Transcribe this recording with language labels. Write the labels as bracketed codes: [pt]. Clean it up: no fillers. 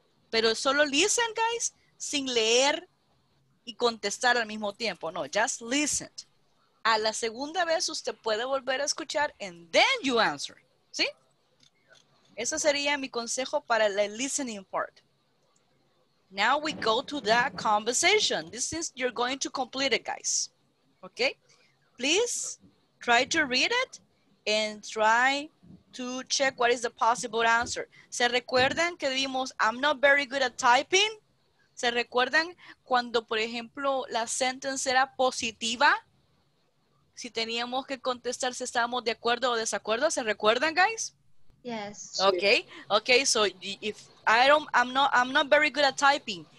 [es] Pero solo listen, guys, sin leer y contestar al mismo tiempo. No, [en] just listen. [es] A la segunda vez usted puede volver a escuchar [en] and then you answer, [es] ¿sí? Ese sería mi consejo para la listening part. [en] Now we go to that conversation. This is, you're going to complete it, guys. Okay? Please try to read it and try to check what is the possible answer. [es] ¿Se recuerdan que vimos, [en] I'm not very good at typing? [es] ¿Se recuerdan cuando, por ejemplo, la sentence era positiva? Si teníamos que contestar si estábamos de acuerdo o desacuerdo, ¿se recuerdan, guys? [en] Yes. Okay. Okay. So if I'm not very good at typing.